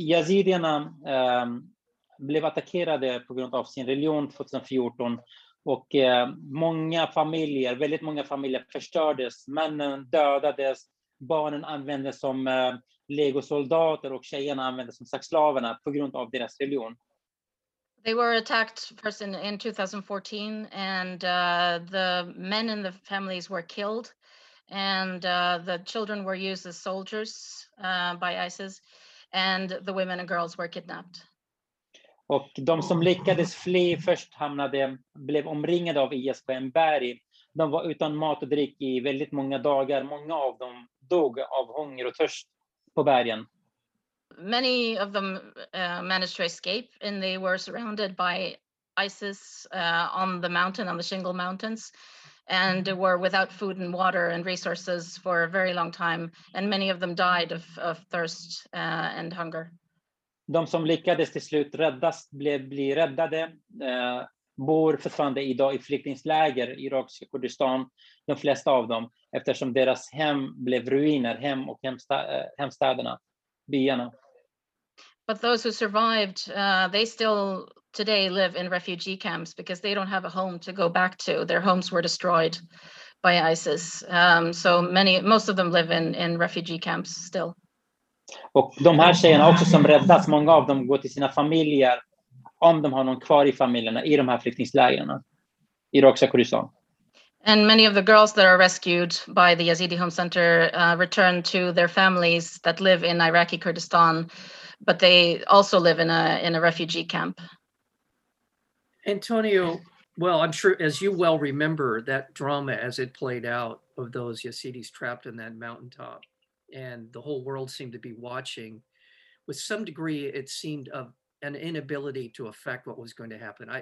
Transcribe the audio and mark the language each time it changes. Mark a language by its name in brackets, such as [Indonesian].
[Swedish] Yazidierna blev attackerade på grund av sin religion 2014. Och väldigt många familjer förstördes, männen dödades, barnen användes som legosoldater och tjejerna användes som sexslaverna på grund av deras religion. [English] They were attacked first in 2014 and the men in the families were killed and the children were used as soldiers by ISIS and the women and girls were kidnapped. [Swedish] Och de som lyckades fly först hamnade, blev omringade av IS på en berg. De var utan mat och dryck I väldigt många dagar. Många av dem dog av hunger och törst på bergen. [English] Many of them managed to escape and they were surrounded by ISIS on the mountain, on the Shingle Mountains. and were without food and water and resources for a very long time, and many of them died of thirst and hunger. [Swedish] De som lyckades till slut räddas bli räddade bor fortfarande idag i flyktingläger i irakiska Kurdistan, de flesta av dem, eftersom deras hem blev ruiner, hem och hemstäderna, byarna. [English] But those who survived, they still today live in refugee camps because they don't have a home to go back to. Their homes were destroyed by ISIS. Most of them live in refugee camps still. [Swedish] Och de här tjejerna också som räddats, många av dem går till sina familjer, om de har någon kvar i familjerna, i de här flyktinglägren, i irakiska Kurdistan. [English] And many of the girls that are rescued by the Yazidi Home Center return to their families that live in Iraqi Kurdistan, but they also live in a refugee camp. Antonio, well, I'm sure as you well remember that drama as it played out of those Yazidis trapped in that mountaintop, and the whole world seemed to be watching with some degree, it seemed, of an inability to affect what was going to happen.